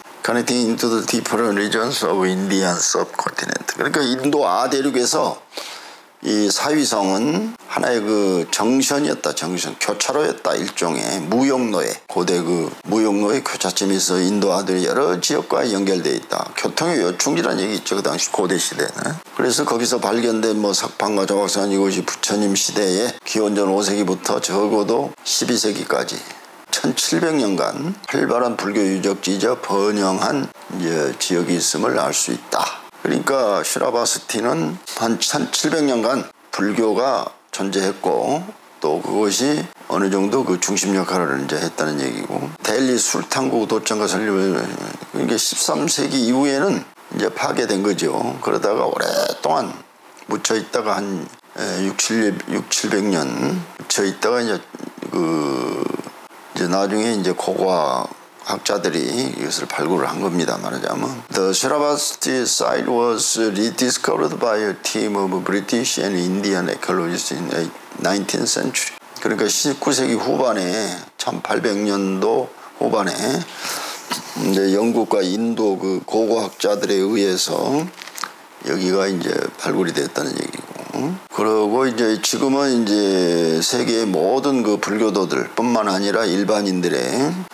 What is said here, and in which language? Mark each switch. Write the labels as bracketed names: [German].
[English] Connecting into the deeper regions of Indian subcontinent. [Korean] 그러니까 인도 아대륙에서 이 사위성은 하나의 그 정션이었다. 정션. 교차로였다. 일종의 무역로에. 고대 그 무역로의 교차점에서 인도 아대륙 여러 지역과 연결되어 있다. 교통의 요충지라는 얘기 있죠. 그 당시 고대 시대는. 그래서 거기서 발견된 뭐 석판과 조각상 이곳이 부처님 시대에 기원전 5세기부터 적어도 12세기까지. 1700년간 활발한 불교 유적지이자 번영한 이제 지역이 있음을 알 수 있다. 그러니까 슈라바스티는 한 1700년간 불교가 존재했고 또 그것이 어느 정도 그 중심 역할을 이제 했다는 얘기고 델리 술탄국 도청과 설립을 그러니까 13세기 이후에는 이제 파괴된 거죠. 그러다가 오랫동안 묻혀 있다가 한 6700년 묻혀 있다가 이제 그 이제 나중에 이제 고고학 학자들이 이것을 발굴을 한 겁니다. 말하자면 [English] The Shravasti site was rediscovered by a team of British and Indian archaeologists in the 19th century. [Korean] 그러니까 19세기 후반에 1800년도 후반에 이제 영국과 인도 그 고고학자들에 의해서 여기가 이제 발굴이 됐다는 얘기고 그리고 이제 지금은 이제 세계의 모든 그 불교도들 뿐만 아니라 일반인들의